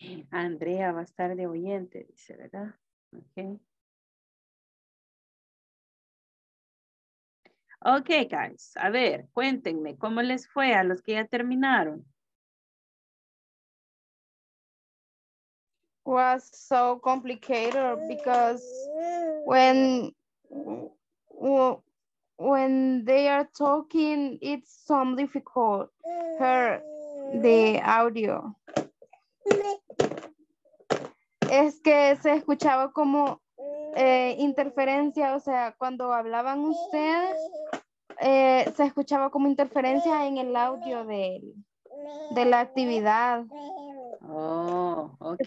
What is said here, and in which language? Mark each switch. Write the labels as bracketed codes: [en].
[es] Andrea va a estar de oyente, dice, ¿verdad? Okay, guys, a ver, cuéntenme, ¿cómo les fue a los que ya terminaron? [en] Was so complicated because when they are talking, it's so difficult to hear the audio. [es] Es que se escuchaba como interferencia, o sea, cuando hablaban ustedes, Se escuchaba como interferencia en el audio de la actividad. [en] Oh, okay.